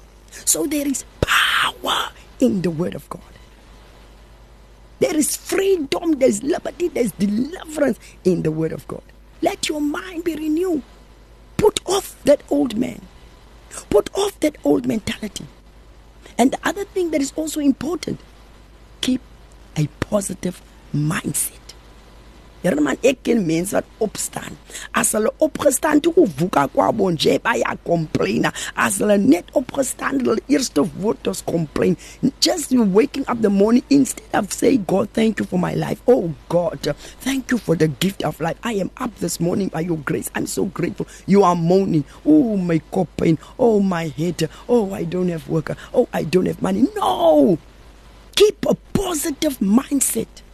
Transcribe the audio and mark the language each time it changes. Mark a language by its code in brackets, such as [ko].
[en] So there is power in the word of God. There is freedom, there's liberty, there's deliverance in the word of God. Let your mind be renewed. Put off that old man. Put off that old mentality. And the other thing that is also important, keep a positive mindset. [af] Here man, ek ken mense wat opstaan. As hulle opgestaan toe gevoeka kwabo nje baie complain. As hulle net opgestaan, hulle eerste woord is complain. [en] Just you waking up the morning, instead of saying, God, thank you for my life. Oh God, thank you for the gift of life. I am up this morning by your grace. I'm so grateful. You are moaning. Oh, my cup pain. Oh, my head. Oh, I don't have work. Oh, I don't have money. No! Keep a positive mindset.